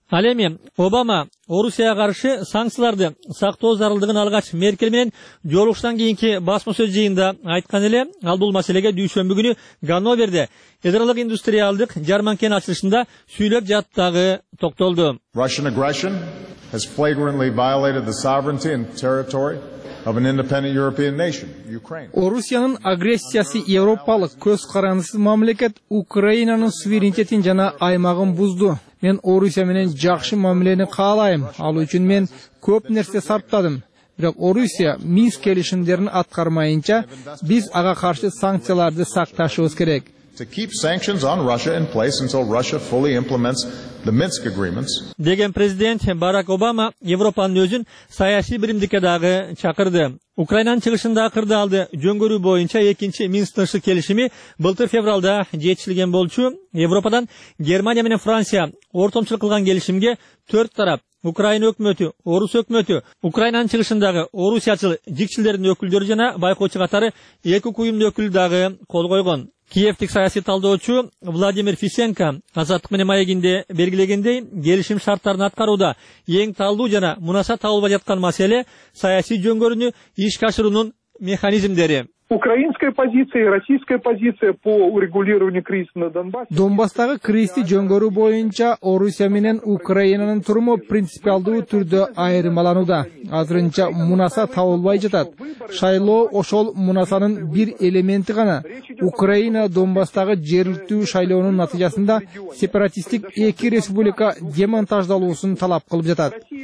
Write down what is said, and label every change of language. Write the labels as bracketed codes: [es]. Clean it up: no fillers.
[ky] Ал эми Обама Орусияга каршы санкцияларды сактоо зарылдыгын алгач Меркель менен жолугушуудан кийинки басма сөз жыйында айткан эле, ал бул маселеге дүйшөмбү күнү Ганноверде ядролук индустриалдык жарманканын ачылышында сүйлөп жатып дагы токтолду. [en] Russian aggression has flagrantly violated the sovereignty and territory of an independent European nation, Ukraine. [ky] Орусиянын агрессиясы европалык көз карандысыз мамлекет Украинанын суверенитетин жана аймагын бузду. Мен Орусия менен жакшы мамилени каалайм. Ал үчүн мен көп нерсе сарптадым. Бирок Орусия Минск келишимдерин аткармайынча биз ага каршы санкцияларды сакташыбыз керек. [en] To keep sanctions on Russia in place until Russia fully implements the Minsk agreements. [ky] Деген президент Барак Обама Европанын өзүн саясий биримдикке дагы чакырды. Украинанын чыгышында кырдаалды жөнгөрүү боюнча экинчи Минск тынчтык келишими былтыр февралда жетишилген болчу. Европадан Германия менен Франция ортомчулук кылган келишимге 4 тарап Украина өкмөтү, Орус өкмөтү, Украинанын чыгышындагы Орусиячыл жикчилдердин өкүлдөрү жана байкоочу катары эки куюмдун өкүлү дагы кол койгон. Киевтик саясий талдоочу Владимир Фисенко азаттык менен маегинде белгилегендей, келишим шарттарын аткарууда эң талдуу жана мунасат алба жаткан маселе саясий жөнгөрүнү ишке ашыруунун механизмдери. [ru] Украинская позиция и российская позиция по урегулированию кризиса на Донбассе. [ky] Донбасстагы кризисти жөнгөрүү боюнча Орусия менен Украинанын туруму принципиалдуу түрдө айырмаланууда. Азырынча мунаса табылбай жатат. Шайлоо ошол мунасанын бир элементи гана. Украина Донбасстагы жергиликтүү шайлоонун натыйжасында сепаратисттик эки республика демонтаждалуусун талап кылып жатат.